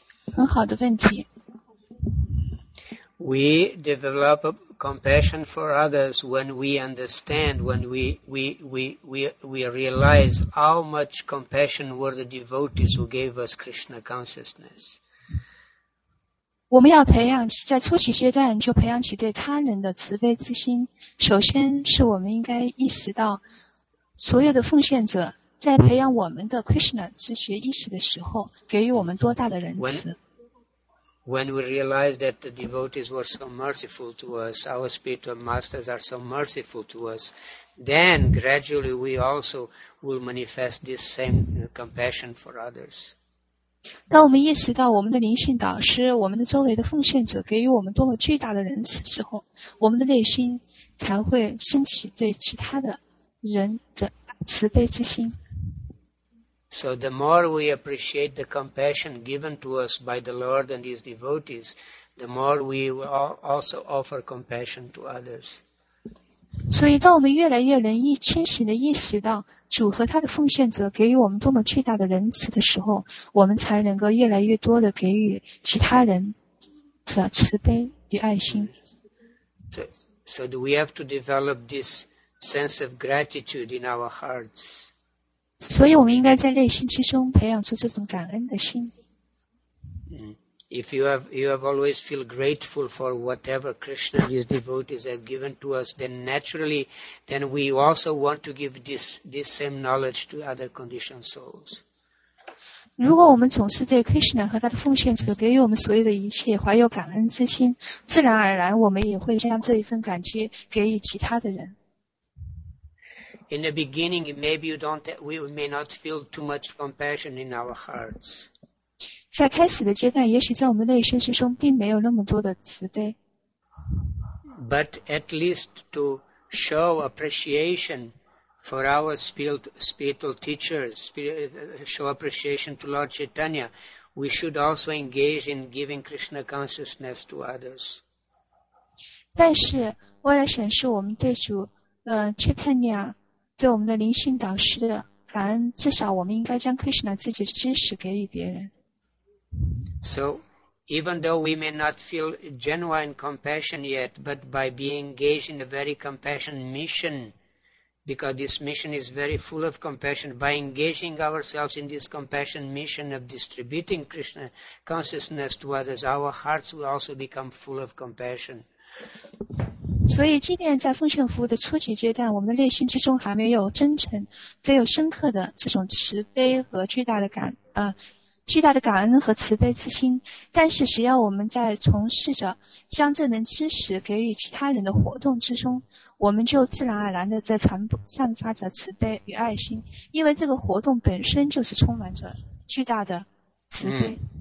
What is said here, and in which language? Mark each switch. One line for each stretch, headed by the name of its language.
Chinese: 很好的问题。
English: We develop compassion for others when we understand, when we realize how much compassion were the devotees who gave us Krishna consciousness.
Chinese: 我们要培养在初期阶段就培养起对他人的慈悲之心。首先是我们应该意识到所有的奉献者在培养我们的 Krishna 自觉意识的时候给予我们多大的仁慈。
English: When we realize that the devotees were so merciful to us, our spiritual masters are so merciful to us, then gradually we also will manifest this same compassion for others.
Chinese: 当我们意识到我们的灵性导师、我们的周围的奉献者给予我们多么巨大的仁慈之后，我们的内心才会升起对其他的人的慈悲之心。
English: So the more we appreciate the compassion given to us by the Lord and His devotees, the more we will also offer compassion to others.
Chinese: 所以当我们越来越能意清醒地意识到主和他的奉献者给予我们多么巨大的仁慈的时候，我们才能够越来越多地给予其他人的慈悲与爱心。
English: So do we have to develop this sense of gratitude in our hearts?
Chinese: 所以我们应该在内心之中培养出这种感恩的心。
English: If you have always feel grateful for whatever Krishna and his devotees have given to us, then naturally, then we also want to give this same knowledge to other conditioned souls.
Chinese: 如果我们总是对 Krishna 和他的奉献者给予我们所有的一切怀有感恩之心，自然而然我们也会将这一份感激给予其他的人。
English: In the beginning, maybe we may not feel too much compassion in our hearts.
Chinese: 在开始的阶段，也许在我们内心之中并没有那么多的慈悲。
English: But at least to show appreciation for our spiritual teachers, show appreciation to Lord Chaitanya, we should also engage in giving Krishna consciousness to others.
Chinese: 但是，为了显示我们对主，Chaitanya。对我们的灵性导师的感恩，至少我们应该将 Krishna 自己的知识给予别人。
English: So, even though we may not feel genuine compassion yet, but by being engaged in a very compassionate mission, because this mission is very full of compassion, by engaging ourselves in this compassionate mission of distributing Krishna consciousness to others, our hearts will also become full of compassion.
Chinese: 所以即便在奉献服务的初级阶段，我们的内心之中还没有真诚，没有深刻的这种慈悲和巨大的感恩和慈悲之心，但是只要我们在从事着将这门知识给予其他人的活动之中，我们就自然而然的在散发着慈悲与爱心，因为这个活动本身就是充满着巨大的慈悲。